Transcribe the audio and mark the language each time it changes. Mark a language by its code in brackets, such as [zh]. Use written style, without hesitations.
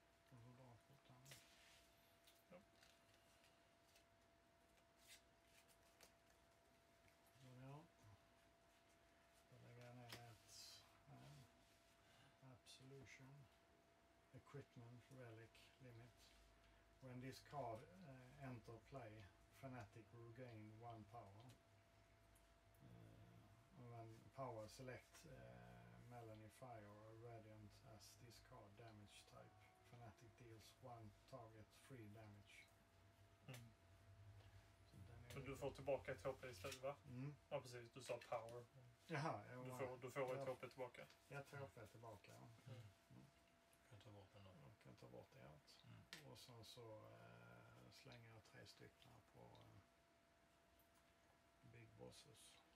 [sv] Mm. Då har du då. Ja. Då är jag. Då lägger jag ner ett absolution. [en] Equipment, relic, limit. When this card enter play, Fanatic regain 1 power. When power select Melanie Fire or Radiant as this card damage type, Fanatic deals 1 target 3 damage. Mm. [sv] Så du får tillbaka ett HP istället, va? Mm. Ja, precis. Du sa power. Jaha. Du får ett HP tillbaka. Jag tar HP tillbaka, ja. Mm. Kan ta bort den då. Jag kan ta bort det allt. Mm. Och sen så slänger jag 3 stycken på Big Bosses.